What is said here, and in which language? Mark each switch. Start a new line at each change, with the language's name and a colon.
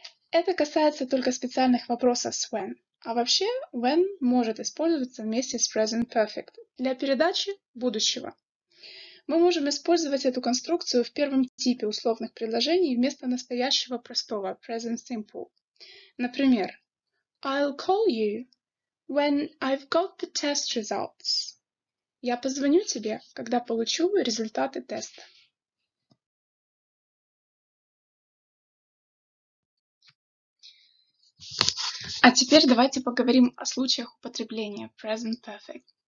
Russian: Это касается только специальных вопросов с when, а вообще when может использоваться вместе с present perfect для передачи будущего. Мы можем использовать эту конструкцию в первом типе условных предложений вместо настоящего простого present simple. Например,
English: I'll call you when I've got the test results.
Russian: Я позвоню тебе, когда получу результаты теста. А теперь давайте поговорим о случаях употребления present perfect.